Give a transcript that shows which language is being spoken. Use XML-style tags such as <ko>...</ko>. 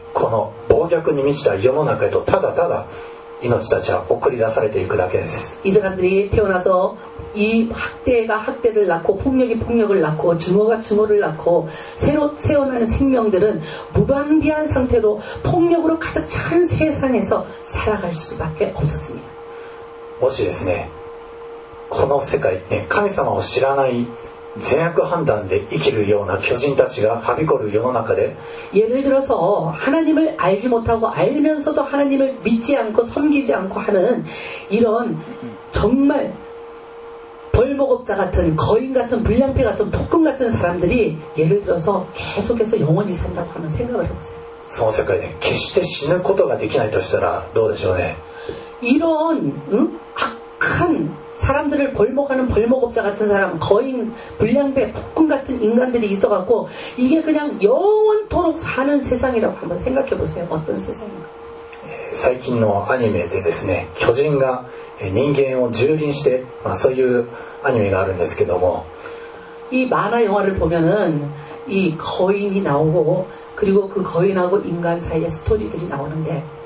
<ja>新しく世の中に生まれてくる命たちはですね、ただ無防備にこの暴虐に満ちた世の中へとただただ 命たちは送り出されていくだけです。</ja> <ko>이 사람들이 태어나서 이 학대가 학대를 낳고 폭력이 폭력을 낳고 증오가 증오를 낳고 새로 태어나는 생명들은 무방비한 상태로 폭력으로 가득 찬 세상에서 살아갈 수밖에 없었습니다.</ko> <ja>もしですね、この世界で神様を知らない 善悪判断で生きるような巨人たちがはびこる世の中で</ja> <ko>예를 들어서 하나님을 알지 못하고 알면서도 하나님을 믿지 않고 섬기지 않고 하는 이런 정말 벌목업자 같은 거인 같은 불량패 같은 폭군 같은 사람들이 예를 들어서 계속해서 영원히 산다고 하면 생각을 해보세요.</ko> <ja>その世界で決して死ぬことができないとしたらどうでしょうね。</ja> <ko>이런 악한 사람들을 벌목하는 벌목업자 같은 사람, 거인, 불량배, 폭군 같은 인간들이 있어갖고 이게 그냥 영원토록 사는 세상이라고 한번 생각해 보세요. 어떤 세상인가?</ko> <ja>最近のアニメでですね、巨人が人間を蹂躙して、そういうアニメがあるんですけども。</ja> <ko>이 만화 영화를 보면은 이 거인이 나오고 그리고 그 거인하고 인간 사이의 스토리들이 나오는데.</ko>